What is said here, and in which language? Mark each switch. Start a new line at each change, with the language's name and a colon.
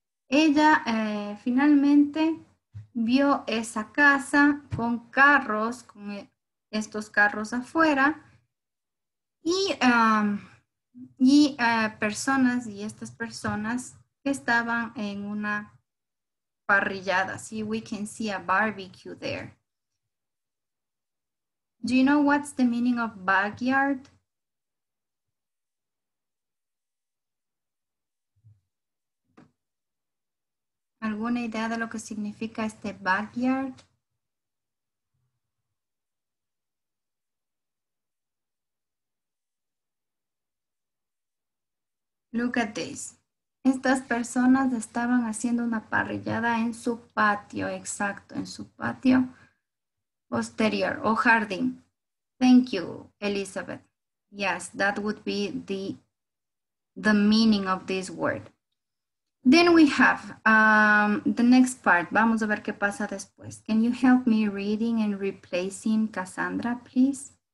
Spanish: Ella finalmente vio esa casa con carros, con estos carros afuera, y personas, y estas personas estaban en una parrillada.
English: ¿Sí? We can see a barbecue there. Do you know what's the meaning of backyard?
Spanish: ¿Alguna idea de lo que significa este backyard?
English: Look at this.
Spanish: Estas personas estaban haciendo una parrillada en su patio, exacto, en su patio posterior o jardín.
English: Thank you, Elizabeth. Yes, that would be the meaning of this word. Then we have the next part.
Spanish: Vamos a ver qué pasa después.
English: Can you help me reading and replacing Cassandra, please?